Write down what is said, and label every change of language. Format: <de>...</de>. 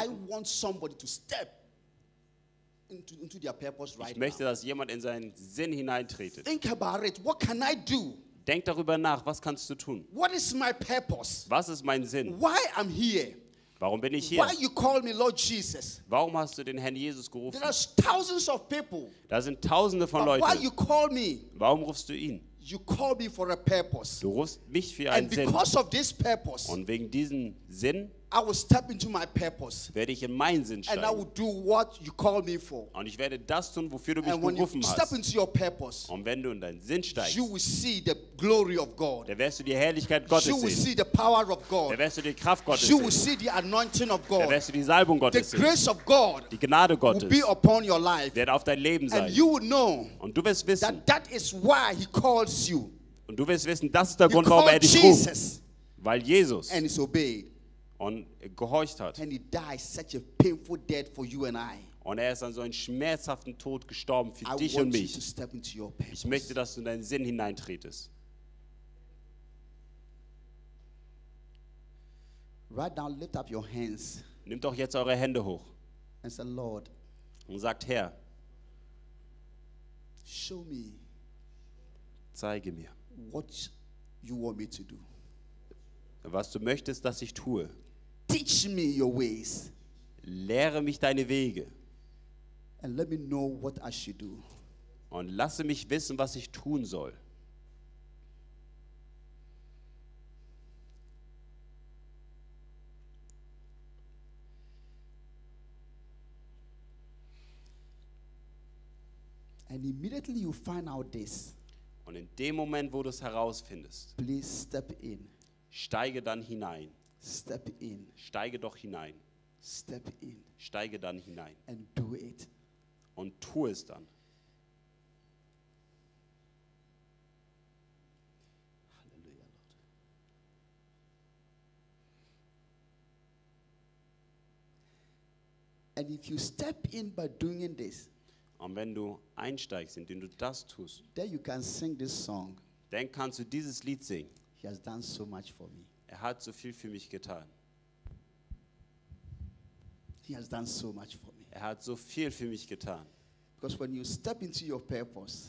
<en>I want somebody to step into their purpose right now.</en> <de>Ich möchte, dass jemand in seinen Sinn hineintretet.</de> <en>Think about it. What can I do?</en> <de>Denk darüber nach, was kannst du tun?</de> <en>What is my purpose?</en> <de>Was ist mein Sinn?</de> <en>Why I'm here?</en> <de>Warum bin ich hier?</de> <en>Why you call me Lord Jesus?</en> <de>Warum hast du den Herrn Jesus gerufen?</de> <en>There are thousands of people.</en> <de>Da sind tausende von Leuten.</de> <en>Why you call me?</en> <de>Warum rufst du ihn?</de> <en>You call me for a purpose.</en> <de>Du rufst mich für einen Sinn.</de> <en>And because of this purpose.</en> <de>Und wegen diesem Sinn.</de> <en>I will step into my purpose.</en> <de>Werde ich in meinen Sinn steigen.</de> <en>And I will do what you call me for.</en> <de>Und ich werde das tun, wofür du mich berufen hast.</de> <en>Step into your purpose.</en> <de>Und wenn du in deinen Sinn steigst.</de> <en>You will see the glory of God.</en> <de>Dann wirst du die Herrlichkeit Gottes sehen.</de> <en>You will see the power of God.</en> <de>Dann wirst du die Kraft Gottes sehen.</de> <en>You will see the anointing of God.</en> <de>Dann wirst du die Salbung Gottes sehen.</de> <en>The grace of God.</en> <de>Die Gnade Gottes.</de> <en>Will be upon your life.</en> <de>Wird auf dein Leben sein.</de> <en>And you will know.</en> <de>Und du wirst wissen.</de> <en>That is why he calls you.</en> <de>Und du wirst wissen, das ist der Grund, warum er dich Jesus ruft. Weil Jesus.</de> <en>And he's obeyed.</en> <de>Und gehorcht hat.</de> <en>And he died such a painful death for you and I.</en> <de>Und er ist an so einem schmerzhaften Tod gestorben für dich und mich. Ich möchte, dass du in deinen Sinn hineintretest.</de> <en>Right now, lift up your hands.</en> <de>Nimm doch jetzt eure Hände hoch.</de> <en>And say, Lord,</en> <de>und sagt, Herr,</de> <en>show me,</en> <de>zeige mir,</de> <en>what you want me to do.</en> <de>Was du möchtest, dass ich tue.</de> <en>Teach me your ways.</en> <de>Lehre mich deine Wege.</de> <en>And let me know what I should do.</en> <de>Und lasse mich wissen, was ich tun soll.</de> <en>And immediately you find out this.</en> <de>Und in dem Moment, wo du es herausfindest,</de> <en>please step in.</en> <de>Steige dann hinein.</de> <en>Step in.</en> <de>Steige doch hinein.</de> <en>Step in.</en> <de>Steige dann hinein.</de> <en>And do it.</en> <de>Und tu es dann.</de> <en>Hallelujah, Lord. And if you step in by doing this,</en> <de>und wenn du einsteigst, indem du das tust,</de> <en>then you can sing this song.</en> <de>Dann kannst du dieses Lied singen.</de> <en>He has done so much for me.</en> <de>Er hat so viel für mich getan.</de> <en>He has done so much for me.</en> <de>Er hat so viel für mich getan.</de> <en>Because when you step into your purpose,</en>